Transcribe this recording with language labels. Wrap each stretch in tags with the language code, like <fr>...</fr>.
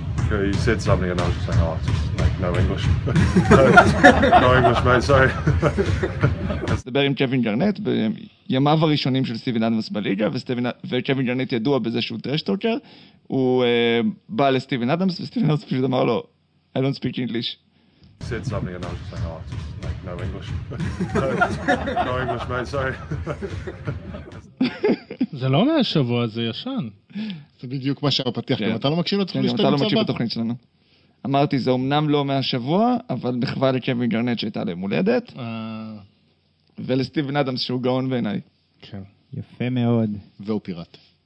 <en>he said something and I was just like, oh, it's just like no English. No, no English, mate, sorry.</en> <he>אז דבר עם קווין גרנט בימיו הראשונים של סטיבן אדמס בליגה, וקווין גרנט ידוע בזה שהוא טרשטוקר, הוא בא לסטיבן אדמס, וסטיבן אדמס פשוט אמר לו,</he> <en>I don't speak English. Said something and I was just like, oh, it's just like no English. No, no English, mate, sorry.</en> <he>זה לא מהשבוע, זה ישן. זה בדיוק מה שהפתיח, גם אתה לא מקשיב לתוכנית שלנו. כן, אתה לא מקשיב לתוכנית שלנו. אמרתי, זה אמנם לא מהשבוע, אבל מחווה לקווין גרנט שהייתה להם הולדת. ולסטיבן אדמס שהוא גאון בעיניי. כן. יפה מאוד. והוא פיראט.</he>